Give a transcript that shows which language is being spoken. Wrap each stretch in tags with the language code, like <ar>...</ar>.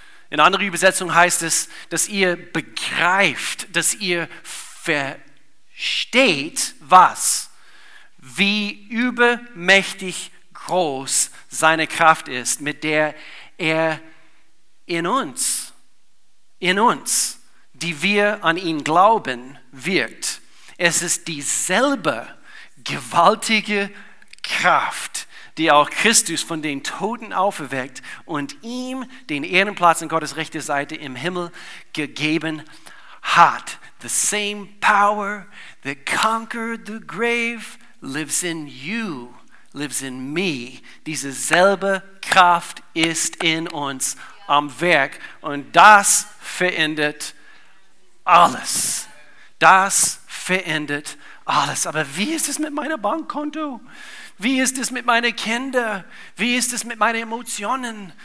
<de>In anderer Übersetzung heißt es, dass ihr begreift, dass ihr versteht, was, wie übermächtig groß seine Kraft ist, mit der er in uns, die wir an ihn glauben, wirkt. Es ist dieselbe gewaltige Kraft, die auch Christus von den Toten auferweckt und ihm den Ehrenplatz an Gottes rechter Seite im Himmel gegeben hat.</de> <en>The same power that conquered the grave lives in you, lives in me.</en> <de>Diese selbe Kraft ist in uns am Werk und das verändert alles. Das verändert alles. Aber wie ist es mit meinem Bankkonto? Wie ist es mit meinen Kindern? Wie ist es mit meinen Emotionen?</de>